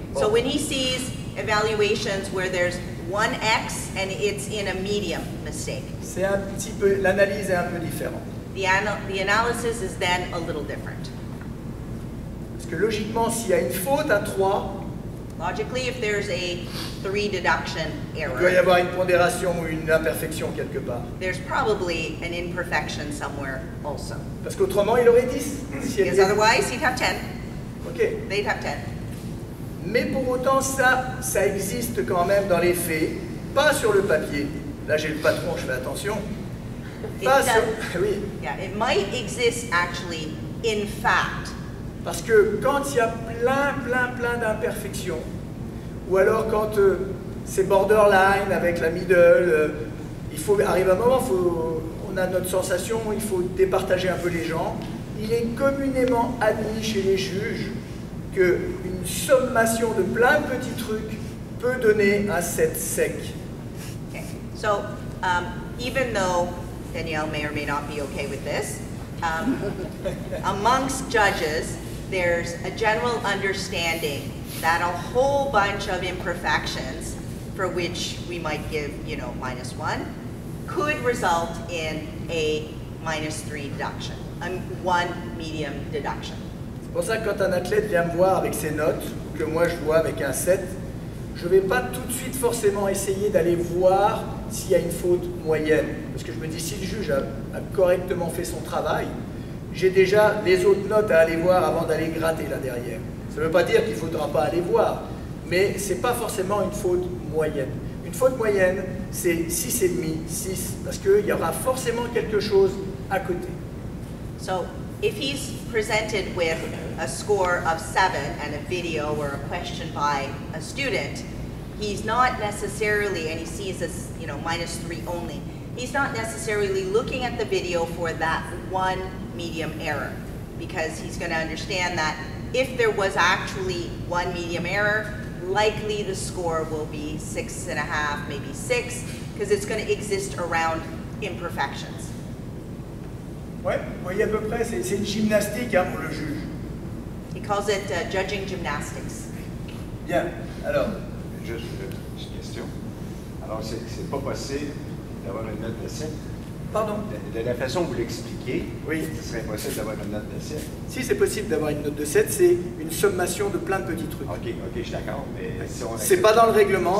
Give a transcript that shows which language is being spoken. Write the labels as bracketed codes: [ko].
[en] So when he sees evaluations where there's one X and it's in a medium mistake, [fr] c'est un petit peu, l'analyse est un peu différente. [en] The analysis is then a little different. [fr] Parce que logiquement, s'il y a une faute à 3, [en] logically, if there's a 3 deduction error, [fr] il doit y avoir une pondération ou une imperfection quelque part. [en] There's probably an imperfection somewhere also. [fr] Parce qu'autrement, il aurait 10. [en] Because otherwise, he'd have 10. Ok. They'd have 10. [fr] Mais pour autant, ça existe quand même dans les faits, pas sur le papier. Là, j'ai le patron, je fais attention. Oui. [en] Yeah, it might exist actually in fact. [fr] Parce que quand il y a plein d'imperfections, ou alors quand c'est borderline avec la middle, il faut arriver à un moment, on a notre sensation, il faut départager un peu les gens. Il est communément admis chez les juges qu'une sommation de plein de petits trucs peut donner un set sec. [en] Okay. So, even though Danielle may or may not be okay with this, amongst judges, there's a general understanding that a whole bunch of imperfections for which we might give, you know, minus one, could result in a minus three deduction, a one medium deduction. [fr] C'est pour ça que quand un athlète vient me voir avec ses notes, que moi je vois avec un 7, je ne vais pas tout de suite forcément essayer d'aller voir s'il y a une faute moyenne. Parce que je me dis, si le juge a correctement fait son travail, j'ai déjà les autres notes à aller voir avant d'aller gratter là derrière. Ça ne veut pas dire qu'il ne faudra pas aller voir, mais ce n'est pas forcément une faute moyenne. Une faute moyenne, c'est 6,5, 6, parce qu'il y aura forcément quelque chose à côté. [en] So, if he's presented with a score of 7 and a video or a question by a student, he's not necessarily, and he sees this, you know, minus 3 only, he's not necessarily looking at the video for that one medium error, because he's going to understand that if there was actually one medium error, likely the score will be 6.5, maybe 6, because it's going to exist around imperfections. [fr] Ouais, voyez à peu près, c'est une gymnastique hein, pour le juge. [en] He calls it judging gymnastics. [fr] Bien, alors, juste une question. Alors, c'est pas possible d'avoir une note de 7. Pardon? De la façon que vous l'expliquez, oui, ce serait possible d'avoir une note de 7. Si c'est possible d'avoir une note de 7, c'est une sommation de plein de petits trucs. Ok, ok, je suis d'accord. Mais si on c'est pas dans le règlement,